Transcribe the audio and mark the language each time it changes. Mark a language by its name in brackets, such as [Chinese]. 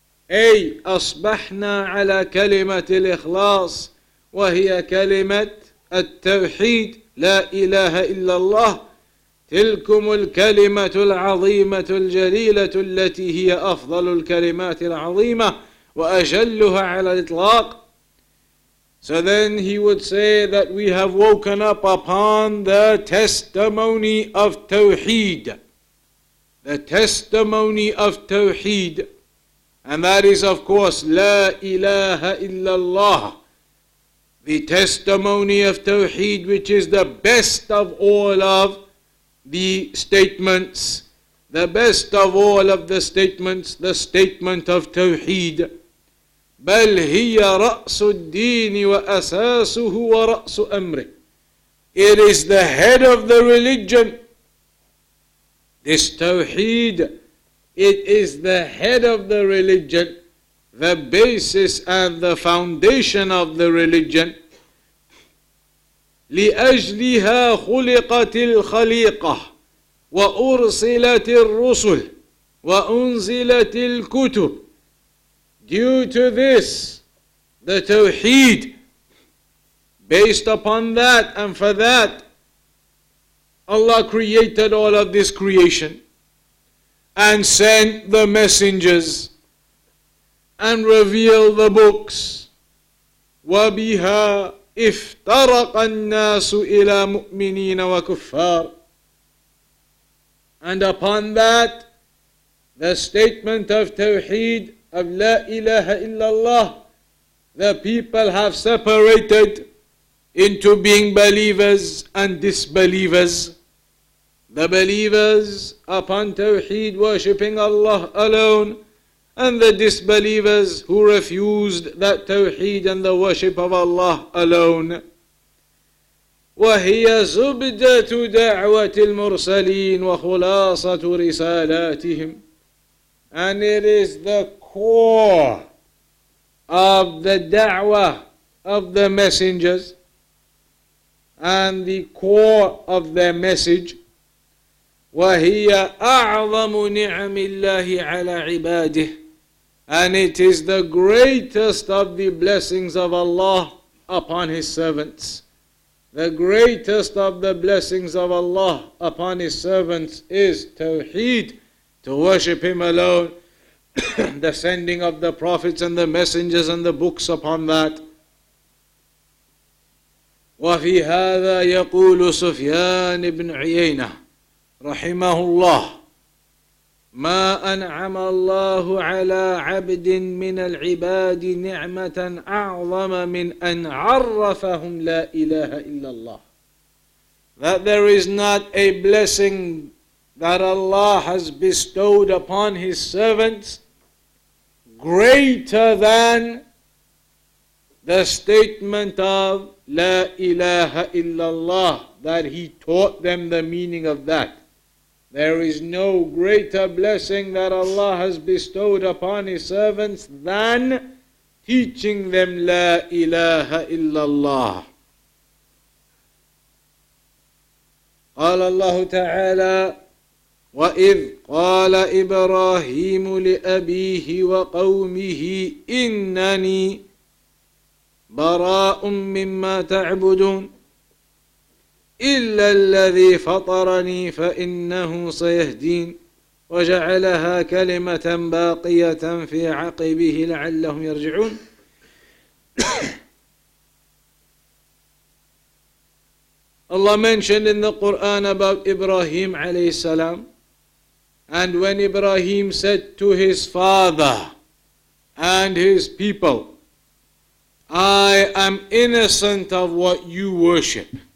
[Arabic] أي أصبحنا على كلمة الإخلاص وهي كلمة التوحيد لا إله إلا الله تلكم الكلمة العظيمة الجليلة التي هي أفضل الكلمات العظيمة وأجلها على الإطلاق. [English] So then he would say that we have woken up upon the testimony of Tawheed. The testimony of Tawheed, and that is of course La ilaha illallah, the testimony of Tawheed, which is the best of all of the statements, the best of all of the statements, the statement of Tawheed. [Arabic] بل هي رأس الدين وأساسه ورأس أمره. [English] It is the head of the religion. This Tawheed, it is the head of the religion, the basis and the foundation of the religion. [Arabic] لأجلها خلقت الخليقة وأرسلت الرسل وأنزلت الكتب. [English] Due to this, the Tawheed, based upon that and for that, Allah created all of this creation and sent the messengers and revealed the books. [Arabic] وَبِهَا افْتَرَقَ النَّاسُ إِلَىٰ مُؤْمِنِينَ وَكُفَّارٍ. [English] And upon that, the statement of Tawheed, of La ilaha illallah, the people have separated into being believers and disbelievers. the believers upon Tawheed, worshipping Allah alone, and the disbelievers who refused that Tawheed and the worship of Allah alone. [Arabic] وهي زبدة دعوة المرسلين وخلاصة رسالاتهم. [English] And it is the core of the da'wah of the messengers and the core of their message. [Arabic] وهي أعظم نعم الله على عباده. [English] And it is the greatest of the blessings of Allah upon His servants. The greatest of the blessings of Allah upon His servants is Tawheed, to worship Him alone, the sending of the prophets and the messengers and the books upon that. [Arabic] وفي هذا يقول سفيان بن عيينة رحمه الله ما أنعم الله على عبد من العباد نعمة أعظم من أن عرفهم لا إله إلا الله. [English] That there is not a blessing that Allah has bestowed upon His servants greater than the statement of لا إله إلا الله, that He taught them the meaning of that. There is no greater blessing that Allah has bestowed upon His servants than teaching them La ilaha illallah. [Arabic] قال الله تعالى وَإِذْ قَالَ إِبْرَاهِيمُ لِأَبِيهِ وَقَوْمِهِ إِنَّنِي بَرَاءٌ مِّمَّا تَعْبُدُونَ إلا الذي فطرني فإنه سيهدين وجعلها كلمة باقية في عقبه لعلهم يرجعون. [English] Allah mentioned in the Quran about Ibrahim alayhi salam, and when Ibrahim said to his father and his people, I am innocent of what you worship.